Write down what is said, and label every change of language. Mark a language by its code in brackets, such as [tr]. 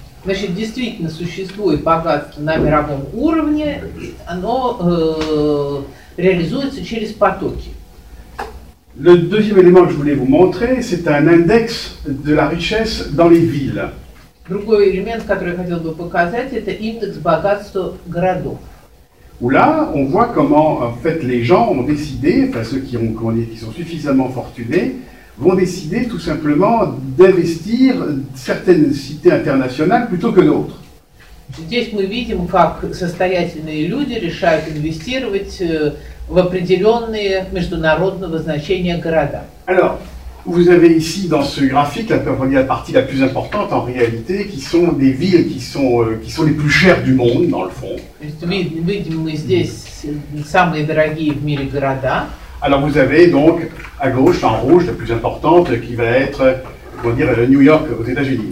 [ru] Значит, действительно существует богатство на мировом уровне, оно реализуется через потоки. [fr] Le deuxième élément que je voulais vous montrer, c'est un index de la richesse dans les villes. [ru] Другой элемент, который я хотел бы показать, это индекс богатства городов. [fr] Où là, on voit comment en fait les gens ont décidé, enfin ceux qui ont, comment dire, qui sont suffisamment fortunés, vont décider tout simplement d'investir certaines cités internationales plutôt que d'autres. [ru] Здесь мы видим, как состоятельные люди решают инвестировать в определенные международного значения города. [fr] Alors, vous avez ici dans ce graphique la première partie la plus importante en réalité, qui sont des villes qui sont les plus chères du monde dans le fond. [ru] Видим мы здесь самые дорогие в мире города. [fr] Alors vous avez donc à gauche en rouge la plus importante qui va être, comment dire, New York aux États-Unis.